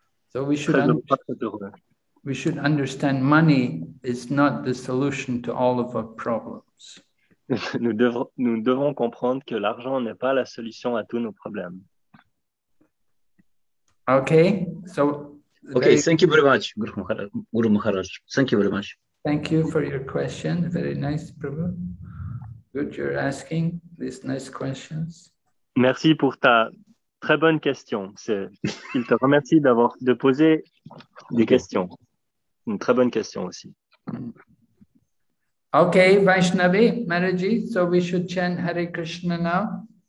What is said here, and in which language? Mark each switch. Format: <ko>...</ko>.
<en>So we should understand money is not the solution to all of our problems.</en> <fr>Nous devons comprendre que l'argent n'est pas la solution à tous nos problèmes.</fr> <en>Okay, so... Okay, thank you very much, Guru Maharaj. Thank you very much. Thank you for your question. Very nice, Prabhu. Good, you're asking these nice questions.</en> <fr>Merci pour ta très bonne question. Il te remercie d'avoir de poser des questions. Une très bonne question aussi.</fr> <en>Okay, Vaishnavi, Maharaji, so we should chant Hare Krishna now.</en>